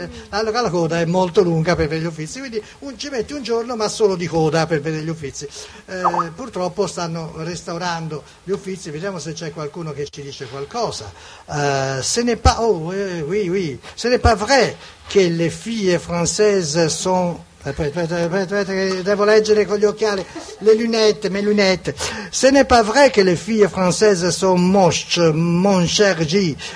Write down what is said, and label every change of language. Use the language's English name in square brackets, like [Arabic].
[Italian] Allora la coda è molto lunga per vedere gli Uffizi, quindi ci metti un giorno ma solo di coda per vedere gli Uffizi. Purtroppo stanno restaurando gli Uffizi, vediamo se c'è qualcuno che ci dice qualcosa. [French] Ce n'est pas, ce n'est pas vrai [Italian] che le fille [French] française sont... [Italian] Aspetta, devo leggere con gli occhiali, [French] mes lunettes. Ce n'est pas vrai que les filles françaises sont moches, mon cher G.